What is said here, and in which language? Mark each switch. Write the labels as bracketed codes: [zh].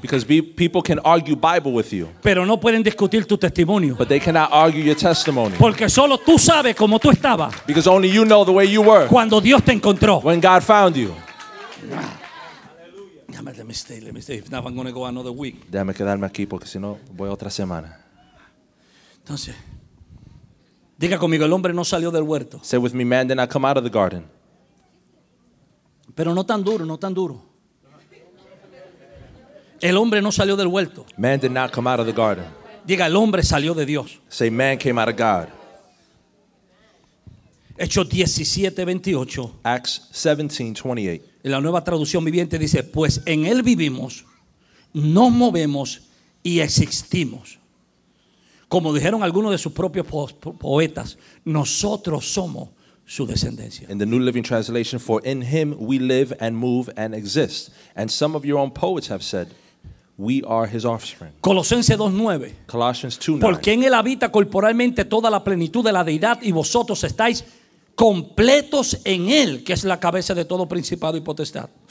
[en] Because people can argue Bible with you. [es] Pero no pueden discutir tu testimonio. [en] But they cannot argue your testimony. [es] Porque solo tú sabes cómo tú estabas. [en] Because only you know the way you were. [es] Cuando Dios te encontró. [en] When God found you. Déjame, let me stay. If not, I'm going to go another week. [es] Déjame quedarme aquí porque si no voy otra semana. Entonces, diga conmigo, el hombre no salió del huerto. [en] Say with me, man did not come out of the garden. [es] Pero no tan duro, no tan duro. El hombre no salió del huerto. [en] Man did not come out of the garden. [es] Diga, el hombre salió de Dios. [en] Say, man came out of God. [es] Hechos 17:28. [en] Acts 17:28. [es] En la nueva traducción viviente dice, pues en él vivimos, nos movemos y existimos. Como dijeron algunos de sus propios poetas, nosotros somos su descendencia. [en] In the New Living Translation, for in him we live and move and exist. And some of your own poets have said, we are his offspring. [es] Colosenses 2:9. [en] Colossians 2:9. [es] Porque en él habita corporalmente toda la plenitud de la deidad y vosotros estáis completos en él, que es la cabeza de todo principado y potestad.